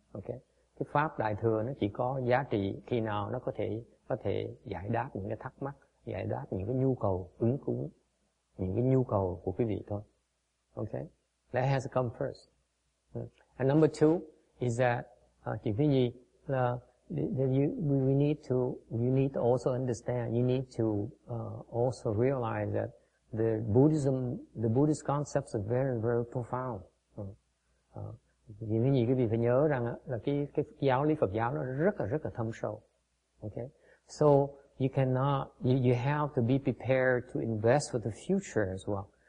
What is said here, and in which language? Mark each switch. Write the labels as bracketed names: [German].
[Vietnamese] Okay, cái pháp đại thừa nó chỉ có giá trị khi nào nó có thể giải đáp những cái thắc mắc, giải đáp những cái nhu cầu ứng cúng, những cái nhu cầu của quý vị thôi. [English] Okay, that has to come first. And number two is that, you need to also realize that the Buddhist concepts are very, very profound. [Vietnamese] Vì thế thì quý vị phải nhớ rằng là cái giáo lý Phật giáo nó rất là thâm sâu. [English] Okay. So you cannot, you have to be prepared to invest for the future as well.